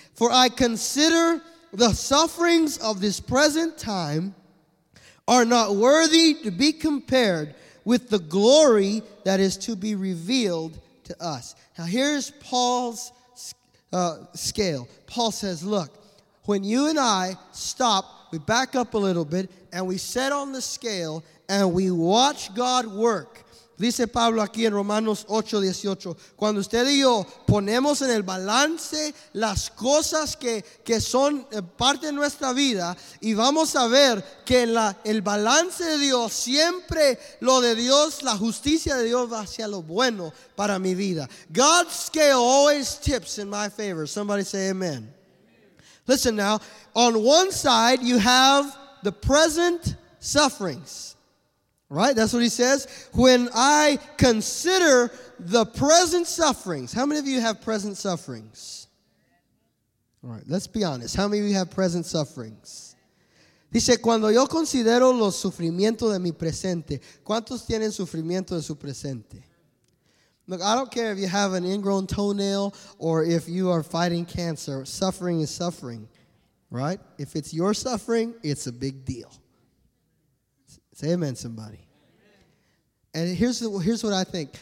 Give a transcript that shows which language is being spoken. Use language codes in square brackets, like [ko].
[en] For I consider the sufferings of this present time are not worthy to be compared with the glory that is to be revealed to us. Now here's Paul's scale. Paul says, look, when you and I stop, we back up a little bit, and we set on the scale, and we watch God work. [es] Dice Pablo aquí en Romanos 8:18, cuando usted y yo ponemos en el balance las cosas que son parte de nuestra vida y vamos a ver que el balance de Dios, siempre lo de Dios, la justicia de Dios va hacia lo bueno para mi vida. [en] God's scale always tips in my favor. Somebody say amen. Amen. Listen now, on one side you have the present sufferings. Right? That's what he says. When I consider the present sufferings. How many of you have present sufferings? All right, let's be honest. How many of you have present sufferings? [es] Dice, cuando yo considero los sufrimientos de mi presente. ¿Cuántos tienen sufrimiento de su presente? [en] Look, I don't care if you have an ingrown toenail or if you are fighting cancer. Suffering is suffering, right? If it's your suffering, it's a big deal. Say amen, somebody. And here's what I think.